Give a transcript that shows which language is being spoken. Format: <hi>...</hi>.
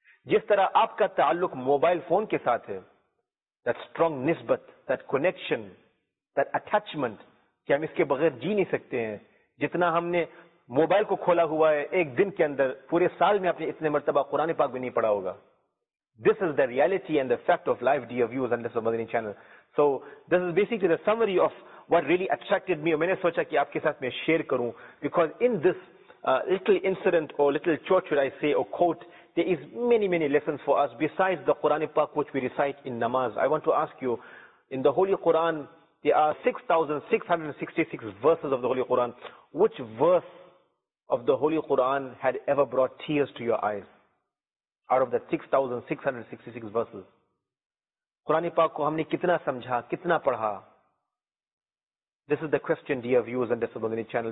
<ur>جس طرح آپ کا تعلق موبائل فون کے ساتھ ہے،</ur> <en>that strong نسبت، that connection, that attachment,</en> <ur>کہ ہم اس کے بغیر جی نہیں سکتے ہیں. جتنا ہم نے موبائل کو کھولا ہوا ہے ایک دن کے اندر، پورے سال میں آپ نے اتنے مرتبہ قرآن پاک بھی نہیں پڑھا ہوگا.</ur> <en>This is the reality and the fact of life dear viewers on this Madani channel. So this is basically the summary of what really attracted me.</en> <ur>میں نے سوچا کہ آپ کے ساتھ میں شیئر کروں،</ur> <en>Because in this little incident or little shot should I say or quote, there is many many lessons for us besides the Quran pak which we recite in namaz. I want to ask you, in the Holy Quran there are 6666 verses of the Holy Quran. Which verse of the Holy Quran had ever brought tears to your eyes out of the 6666 verses?</en> <ur>Quran pak ko humne kitna samjha, kitna padha?</ur> <en>This is the question, dear viewers and Dasbandhini channel.</en>